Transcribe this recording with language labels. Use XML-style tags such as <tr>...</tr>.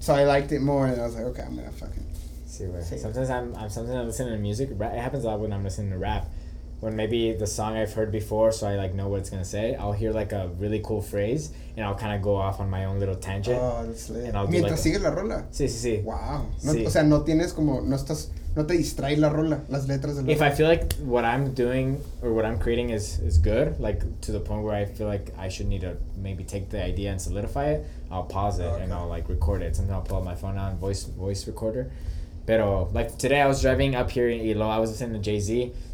<en>so I liked it more and I was like, okay, I'm gonna fucking see where sometimes it. I'm listening to music. It happens a lot when I'm listening to rap. When maybe the song I've heard before, so I, like, know what it's going to say, I'll hear, like, a really cool phrase, and I'll kind of go off on my own little tangent. Oh, that's lit. And I'll mientras like</en> <es>sigue la rola. Sí.</es> <en>Wow.</en> <es>No, sí. O sea, no tienes como, no estás, no te distrae la rola, las letras de la</es> <en>if</en> <es>rola.</es> <en>I feel like what I'm doing or what I'm creating is good, like, to the point where I feel like I should need to maybe take the idea and solidify it, I'll pause it and I'll, like, record it. Sometimes I'll pull out my phone on voice recorder. Pero, like, today I was driving up here in Ilo, I was listening to Jay-Z.</en>